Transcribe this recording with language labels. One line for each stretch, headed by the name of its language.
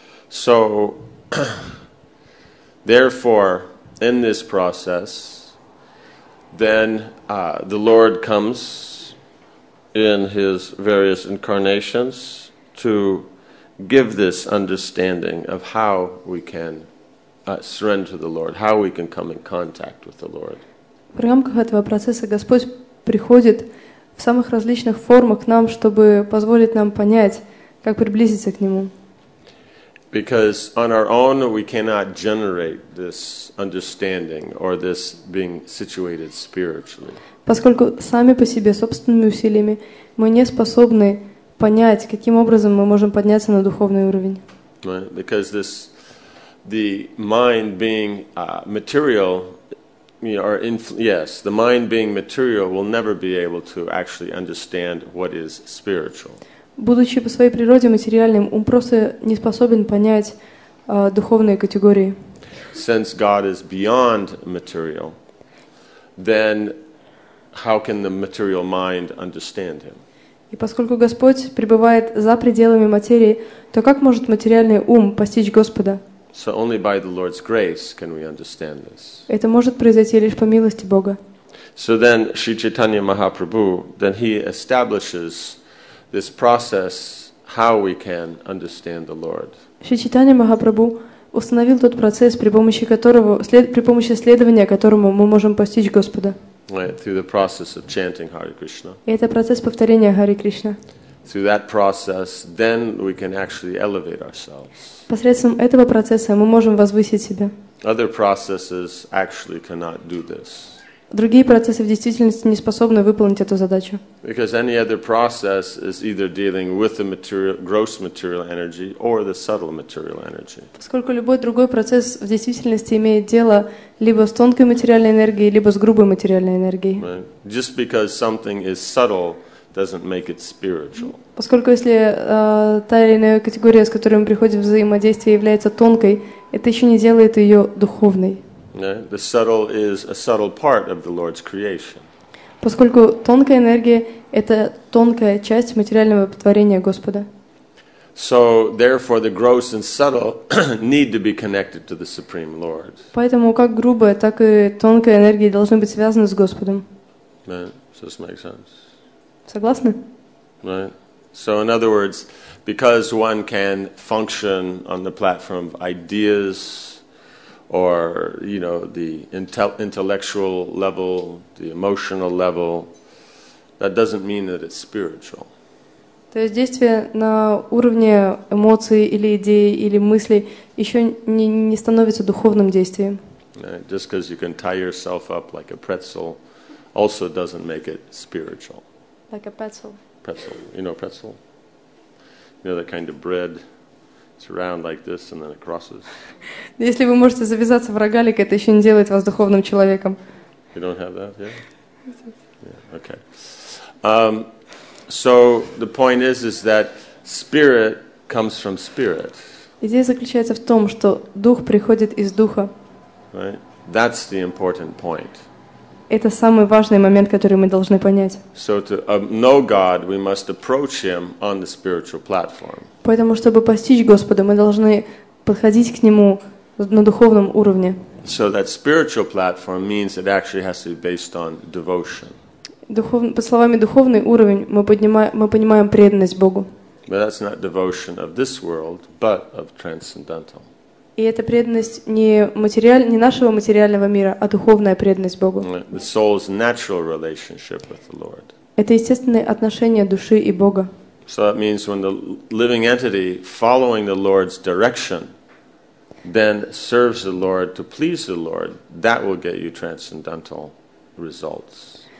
English: So, therefore, in this process, then the Lord comes in his various incarnations to give this understanding of how we can surrender to the Lord, how we can come in contact with the Lord.
Russian: В рамках этого процесса Господь приходит в самых различных формах к нам, чтобы позволить нам понять, как приблизиться к Нему.
English: Because on our own we cannot generate this understanding or this being situated spiritually.
Russian: Поскольку сами по себе, собственными усилиями, мы не способны понять, каким образом мы можем подняться на духовный уровень.
English: Right? Because this, the mind being material, the mind being material will never be able to actually understand what is spiritual.
Russian: Будучи по своей природе материальным, ум просто не способен понять духовные категории.
English: Since God is beyond material, then how can the material mind understand him?
Russian: И поскольку Господь пребывает за пределами материи, то как может материальный ум постичь Господа?
English: So only by the Lord's grace can we understand this.
Russian: Это может произойти лишь по милости Бога.
English: So then Sri Chaitanya Mahaprabhu, then he establishes this process how we can understand the Lord.
Russian: Шри Чайтанья Махапрабху установил тот процесс, при помощи следования которому мы можем постичь Господа.
English: Right, through the process of chanting Hare Krishna.
Russian: И это процесс повторения Hare Krishna.
English: Through that process, then we can actually elevate ourselves.
Russian: Посредством этого процесса мы можем возвысить себя.
English: Other processes actually cannot do this.
Russian: Другие процессы в действительности не способны выполнить эту задачу.
English: Because any other process is either dealing with the material, gross material energy or the subtle material energy.
Russian: Поскольку любой другой процесс в действительности имеет дело либо с тонкой материальной энергией, либо с грубой материальной энергией.
English: Right. Just because something is subtle doesn't make it spiritual.
Russian: Поскольку если та или иная категория, с которой мы приходим в взаимодействие, является тонкой, это еще не делает ее духовной.
English: The subtle is a subtle part of the Lord's creation.
Russian: поскольку тонкая энергия — это тонкая часть материального творения Господа.
English: So therefore, the gross and subtle need to be connected to the Supreme Lord.
Russian: Поэтому как грубая, так и тонкая энергия должны быть связаны с Господом.
English: Right. Does this make sense?
Russian: Согласны?
English: Right. So in other words, because one can function on the platform of ideas, or you know, the intellectual level, the emotional level, that doesn't mean that it's spiritual.
Russian: То есть действие на уровне эмоций или идей или мыслей еще не становится духовным действием.
English: Just because you can tie yourself up like a pretzel also doesn't make it spiritual. Like a pretzel. Pretzel. You know pretzel? You know that kind of bread? It's round like this and then it crosses.
Russian: Если вы можете завязаться в рогалик, это еще не делает вас духовным человеком.
English: You don't have that yet? Yeah, okay. So the point is that spirit comes from spirit.
Russian: Идея заключается в том, что дух приходит из духа.
English: Right? That's the important point.
Russian: Это самый важный момент, который мы должны понять.
English: So to know God, we must approach him on the spiritual platform.
Russian: Поэтому чтобы постичь Господа, мы должны подходить к нему на духовном уровне.
English: So that spiritual platform means it actually has to be based on devotion.
Russian: По словами духовный уровень, мы понимаем преданность Богу.
English: But that's not devotion of this world, but of transcendental.
Russian: И это преданность не нашего материального мира, а духовная преданность Богу.
English: The soul's natural relationship with the Lord.
Russian: Это естественные отношения души и Бога.
English: So that means when the living entity following the Lord's direction then serves the Lord to please the Lord, that will get you transcendental results.